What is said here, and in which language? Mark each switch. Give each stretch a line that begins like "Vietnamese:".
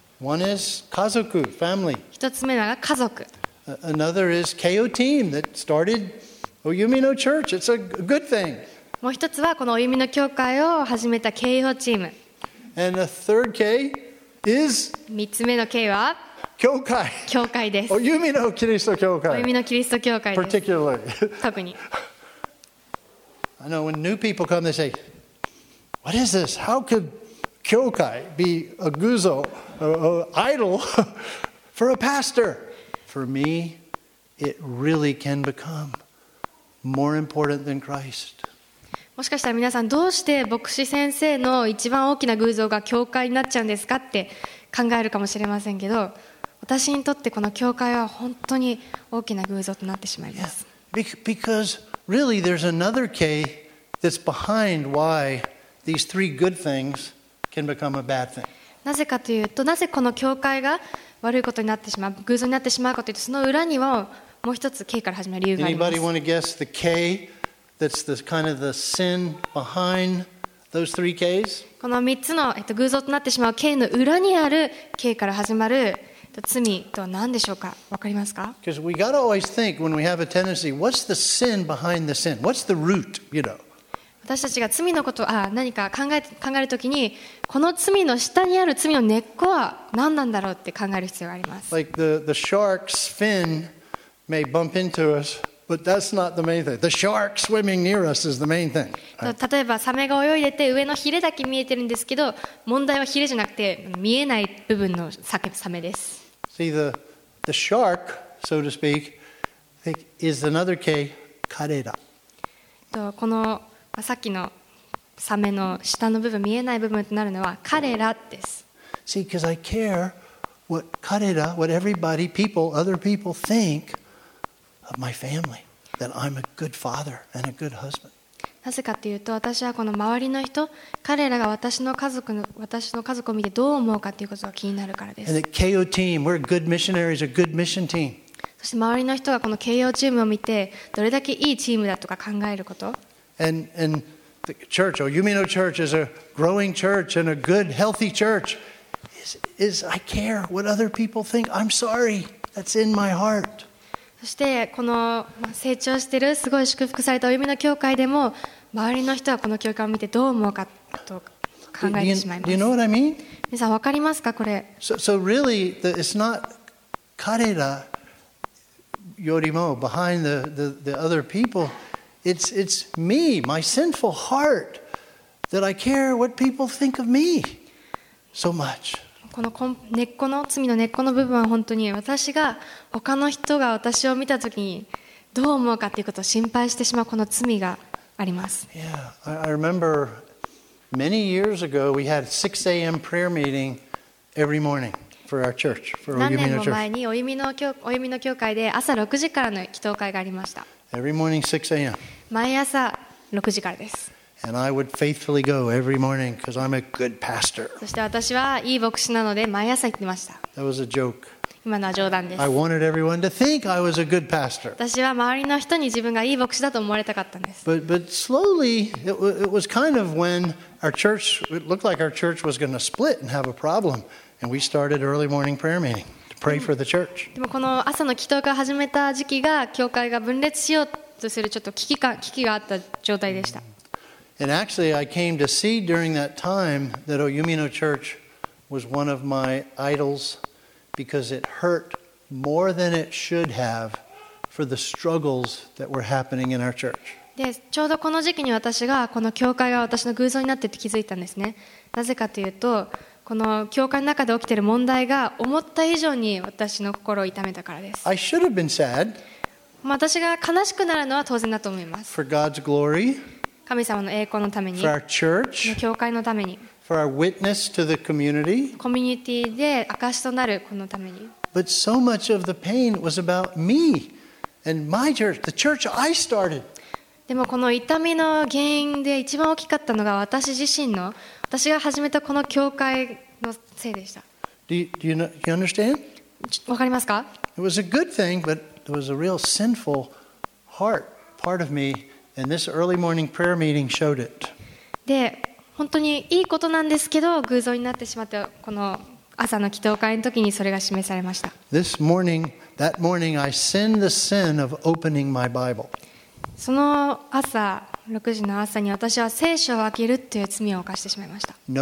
English: One is 家族 family.
Japanese: 一つ目が家族。
English: Another is KO team that started Oyumi no church. It's a good thing.
Japanese: もう一つはこの Oyumi の教会を始めた KO チーム。
English: And the third KIs
Japanese: 三つ目の K は教会。教会です。おゆみのキリスト教会。おゆみのキリスト教会です。
English: Particularly.
Japanese: 特に。
English: I know when new people come, they say, "What is this? How could 教会 be a guzo, an idol for a pastor?" For me, it really can become more important than Christ.
Japanese: もしかしたら皆さん、どうして牧師先生の一番大きな偶像が教会になっちゃうんですかって考えるかもしれませんけど、私にとってこの教会は本当に大きな偶像となってしまいます。
English: Because really there's another K that's behind why these three good things can become a bad thing.
Japanese: なぜかというと、なぜこの教会が悪いことになってしまう、偶像になってしまうかというと、その裏にももう一つ K から始まる理由があります。
English: Anybody want to guess the K? That's the kind of the sin behind those three K's?
Japanese: この3つの、偶像となってしまう K の裏にある K から始まる罪とは何でしょうか？分かりますか？
English: Because we got to always think when we have a tendency, what's the sin behind the sin? What's the root, you know?
Japanese: 私たちが罪のことを何か考えるときに、この罪の下にある罪の根っこは何なんだろうって考える必要があります。
English: Like the shark's fin may bump into us, but that's not the main thing. The shark swimming near us is the main thing.
Japanese: 例えばサメが泳いでて上のヒレだけ見えてるんですけど、問題はヒレじゃなくて見えない部分のサメです。
English: See the shark, so to speak, is another K, カレラ。
Japanese: このさっきのサメの下の部分、見えない部分となるのはカレラです。
English: See, because I care what Karera, what everybody, people, other people think of my family, that I'm a good father and a good husband.
Japanese: なぜかというと、私はこの周りの人、彼らが私の家族を見てどう思うかということが気になるからです。
English: And the KO team, we're good missionaries, a good mission team.
Japanese: そして周りの人がこの KO チームを見てどれだけいいチームだとか考えること。
English: And the church, or Yumino Church is a growing church and a good, healthy church. Is I care what other people think. I'm sorry. That's in my heart.
Japanese: そしてこの成長しているすごい祝福されたお Yumino教会でも周りの人はこの教会を見てどう思うかと考えてしまいます。
English: Do you know what I mean?
Japanese: 皆さん分かりますかこれ。
English: So really, it's not
Japanese: 彼らよりも
English: behind the other people. It's me, my sinful heart, that I care what people think of me so much.
Japanese: この根っこの罪の根っこの部分は本当に私が他の人が私を見た時にどう思うかということを心配してしまうこの罪があります。
English: Yeah, I remember many years ago we had 6 a.m. prayer meeting every morning. For our church, for
Japanese: 何年も前にお弓の教会で朝6時からの祈祷会がありました。
English: Every morning 6 a.m.
Japanese: 毎朝6時からです。
English: And I would faithfully go every morning because I'm a good pastor.
Japanese: そして私はいい牧師なので毎朝行ってました。
English: That was a joke.
Japanese: 今のは冗談です。
English: I wanted everyone to think I was a good pastor.
Japanese: 私は周りの人に自分がいい牧師だと思われたかったんです。
English: But slowly it was kind of when our church it looked like our church was going to split and have a problem. And we started early morning prayer meeting to pray for the church.
Japanese: でもこの朝の祈祷会を始めた時期が教会が分裂しようとするちょっと危機があった状態でした。
English: And actually, I came to see during that time that Oyumino Church was one of my idols because it hurt more than it should have for the struggles that were happening in our church.
Japanese: でちょうどこの時期に私がこの教会が私の偶像になってって気づいたんですね。なぜかというと。この教会の中で起きている問題が思った以上に私の心を痛めたからです。
English: I should have been sad.
Japanese: 私が悲しくなるのは当然だと思います。
English: For God's glory.
Japanese: 神様の栄光のために。
English: For our church.
Japanese: 教会のために。
English: For our witness to the community.
Japanese: コミュニティで証しとなるこのために。
English: But so much of the pain was about me and my church, the church I started.
Japanese: でもこの痛みの原因で一番大きかったのが私自身の私が始めたこの教会のせいでした。
English: Do you understand?
Japanese: わかりますか?
English: It was a good thing, but there was a real sinful heart part of me, and this early morning prayer meeting showed it.
Japanese: で、本当にいいことなんですけど、偶像になってしまってこの朝の祈祷会の時にそれが示されました。
English: This morning, that morning, I sinned the sin of opening my Bible.
Japanese: その朝6時の朝に私は聖書を開けるという罪を犯してしまいました。